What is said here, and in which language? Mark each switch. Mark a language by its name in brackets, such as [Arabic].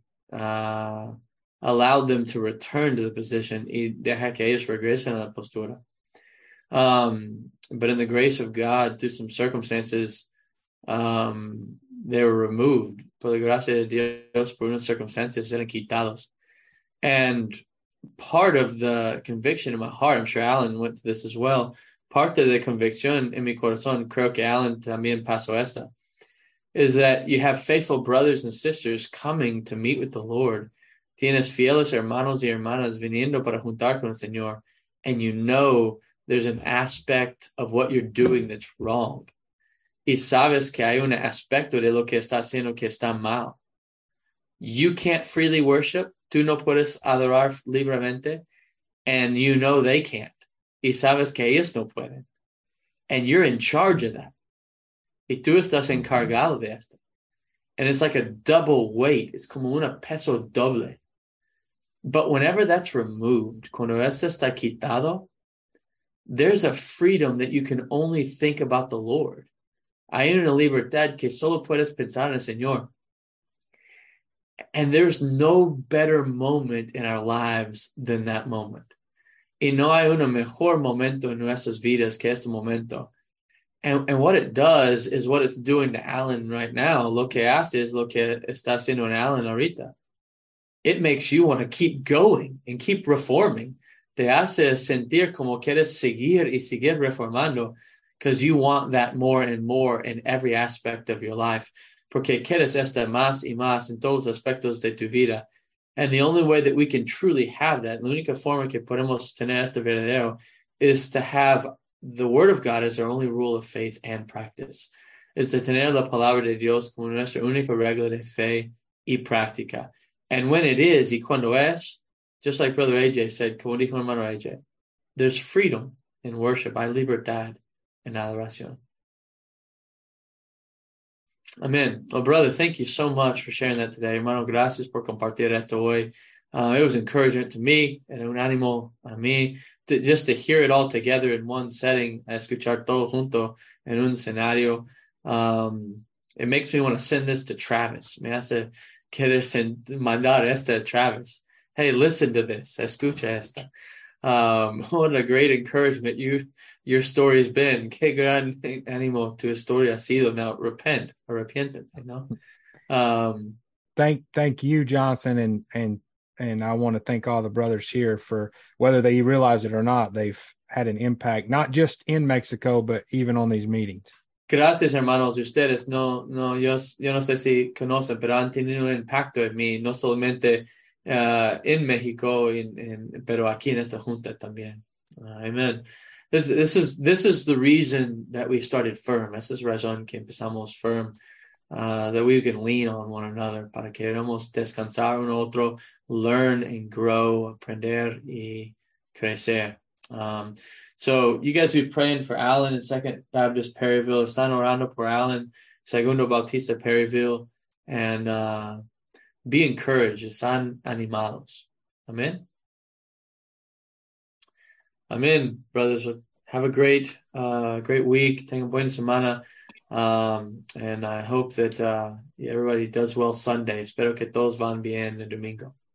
[English] And then allowed them to return to the position. [Spanish] Y dejé que ellos regresen a la postura. [English] But in the grace of God, through some circumstances, they were removed. [Spanish] Por la gracia de Dios, por unas circunstancias, eran quitados. [English] And part of the conviction in my heart, I'm sure Alan went through this as well. Part of the conviction in [Spanish] mi corazón, creo que Alan también pasó esta, [English] is that you have faithful brothers and sisters coming to meet with the Lord. [Spanish] Tienes fieles hermanos y hermanas viniendo para juntar con el Señor. [English] And you know there's an aspect of what you're doing that's wrong. [Spanish] Y sabes que hay un aspecto de lo que está haciendo que está mal. [English] You can't freely worship. [Spanish] Tú no puedes adorar libremente. [English] And you know they can't. [Spanish] Y sabes que ellos no pueden. [English] And you're in charge of that. [Spanish] Y tú estás encargado de esto. [English] And it's like a double weight. It's [Spanish] como una peso doble. [English] But whenever that's removed, [Spanish] cuando esto está quitado, [English] there's a freedom that you can only think about the Lord. [Spanish] Hay una libertad que solo puedes pensar en el Señor. [English] And there's no better moment in our lives than that moment. [Spanish] Y no hay un mejor momento en nuestras vidas que este momento. [English] And what it does is what it's doing to Alan right now. [Spanish] Lo que hace es lo que está haciendo en Alan ahorita. [English] It makes you want to keep going and keep reforming. [Spanish] Te hace sentir como quieres seguir y seguir reformando [English] because you want that more and more in every aspect of your life. [Spanish] Porque quieres estar más y más en todos los aspectos de tu vida. [English] And the only way that we can truly have that, [Spanish] la única forma que podemos tener este verdadero, [English] is to have the Word of God as our only rule of faith and practice. [Spanish] Es de tener la palabra de Dios como nuestra única regla de fe y práctica. [English] And when it is, [Spanish] y cuando es, [English] just like Brother AJ said, [Spanish] como dijo hermano AJ, [English] there's freedom in worship, [Spanish] hay libertad en adoración. [English] Amen. Well, brother, thank you so much for sharing that today. [Spanish] Hermano, gracias por compartir esto hoy. [English] It was encouragement to me and [Spanish] un ánimo a mí [English] just to hear it all together in one setting, [Spanish] escuchar todo junto en un escenario. [English] It makes me want to send this to Travis. [Spanish] Me hace querer mandar esto a Travis. [English] Hey, listen to this. [Spanish] Escucha esto. [English] What a great encouragement your story has been. [Spanish] Qué gran ánimo tu historia ha sido. [English] Now repent, [Spanish] arrepiéntete, [English] you know. Thank you, Jonathan, and I want to thank all the brothers here for whether they realize it or not, they've had an impact not just in Mexico but even on these meetings. [Spanish] Gracias, hermanos. Ustedes yo no sé si conocen, pero han tenido un impacto en mí no solamente [English] in Mexico, [Spanish] pero aquí en esta junta también. [English] Amen. This is the reason that we started firm. [Spanish] Esa es razón que empezamos firm. [English] That we can lean on one another [Spanish] para que podamos descansar uno otro, [English] learn and grow, [Spanish] aprender y crecer. [English] So you guys will be praying for Alan in Second Baptist Perryville. [Spanish] Están orando por Alan, Segundo Bautista Perryville, [English] and be encouraged. [Spanish] Están animados. Amen. [English] Amen, brothers. Have a great, great week. [Spanish] Tengan buena semana. [English] And I hope that everybody does well Sunday. [Spanish] Espero que todos van bien el domingo.